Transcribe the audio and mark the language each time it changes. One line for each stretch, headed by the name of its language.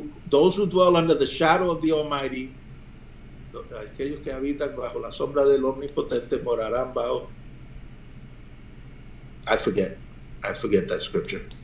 English: Those who dwell under the shadow of the Almighty...
Spanish: Aquellos que habitan bajo la sombra del Omnipotente morarán bajo...
English: I forget that scripture.